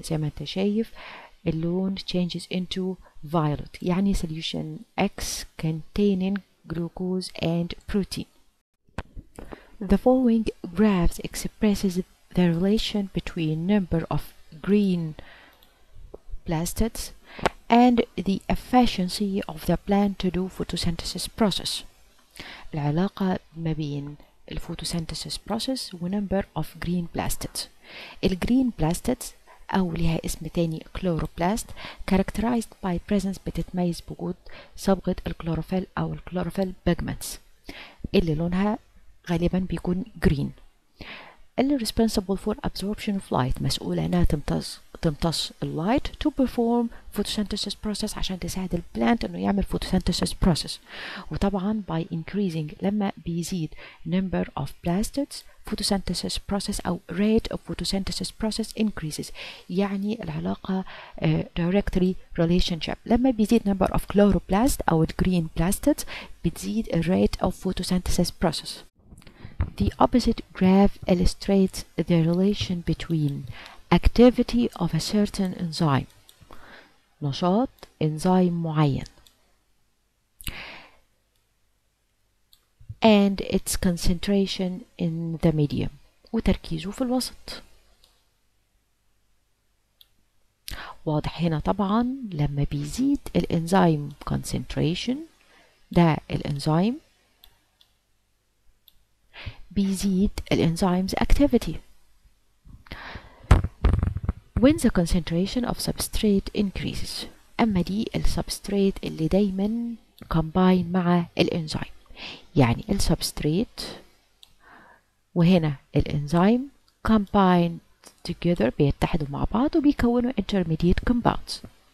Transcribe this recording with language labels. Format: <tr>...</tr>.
<ar>زي ما انت شايف اللون</ar> <en>changes into violet،</en> <ar>يعني</ar> <en>solution X containing glucose and protein. The following graphs expresses the relation between number of green plastids and the efficiency of the plant to do photosynthesis process.</en> <ar>العلاقة ما بين الفوتوسينثيسيس process و number of green plastids. الgreen plastids أو لها اسم تاني chloroplast</ar> <en>characterized by presence،</en> <ar>بتتميز بوجود صبغة الكلوروفيل أو الكلوروفيل pigments اللي لونها غالبا بيكون green. اللي</ar> <en>responsible for absorption of light،</en> <ar>مسؤولة انها تمتص اللايت</ar> <en>to perform photosynthesis process،</en> <ar>عشان تساعد البلانت انه يعمل photosynthesis process. وطبعا by increasing، لما بيزيد number of blastids photosynthesis process او rate of photosynthesis process increases، يعني العلاقة</ar> <en>directly relationship،</en> <ar>لما بيزيد number of chloroplast او green blastids بتزيد rate of photosynthesis process.</ar> <en>The opposite graph illustrates the relation between activity of a certain enzyme،</en> <ar>نشاط enzyme معين،</ar> <en>and its concentration in the medium،</en> <ar>وتركيزه في الوسط. واضح هنا طبعا لما بيزيد الenzyme concentration، ده الenzyme، بيزيد الانزيمز activity.</ar> <en>When the concentration of substrate increases،</en> <ar>أما دي السبستريت اللي دايما combine مع الانزيم، يعني السبستريت وهنا الانزيم combine together، بيتحدوا مع بعض وبيكونوا intermediate compounds.</ar>